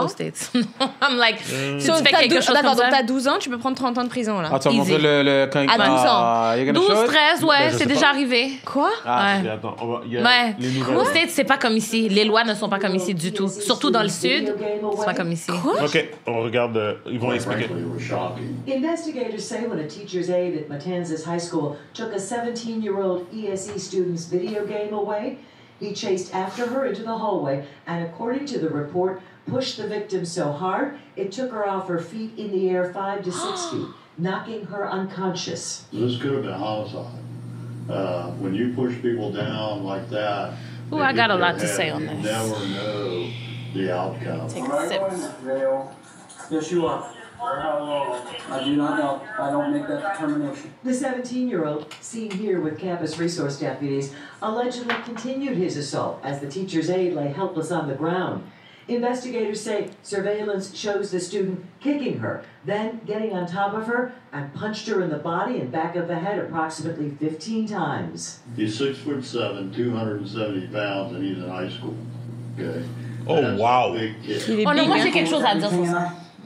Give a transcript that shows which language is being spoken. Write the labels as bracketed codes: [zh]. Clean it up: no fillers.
[en] All States. I'm like, [fr] si tu fais quelque chose. D'accord, donc tu as 12 ans, tu peux prendre 30 ans de prison là. Ah, tu as montré le. À 12 ans. 12, 13, ouais, c'est déjà arrivé. Quoi? Ah, attends. Ouais. All States, c'est pas comme ici. Les lois ne sont pas comme ici du tout. Surtout dans le Sud, c'est pas comme ici. Quoi? Ok, on regarde. Ils vont expliquer. [en] Investigators say when a teacher's aide at Matanzas High School took a 17-year-old ESE student's video game away, he chased after her into the hallway and, according to the report, pushed the victim so hard it took her off her feet in the air 5 to 6 feet, knocking her unconscious. This could have been homicide. When you push people down like that, ooh, I got a lot to say on this. You never know the outcome. Take a sip. Yes, you are. I do not know. I don't make that determination. The 17-year-old, seen here with campus resource deputies, allegedly continued his assault as the teacher's aide lay helpless on the ground. Investigators say surveillance shows the student kicking her, then getting on top of her and punched her in the body and back of the head approximately 15 times. He's 6'7", 270 pounds, and he's in high school. Okay. Oh, wow. Oh, no, [fr] moi, j'ai quelque chose à dire.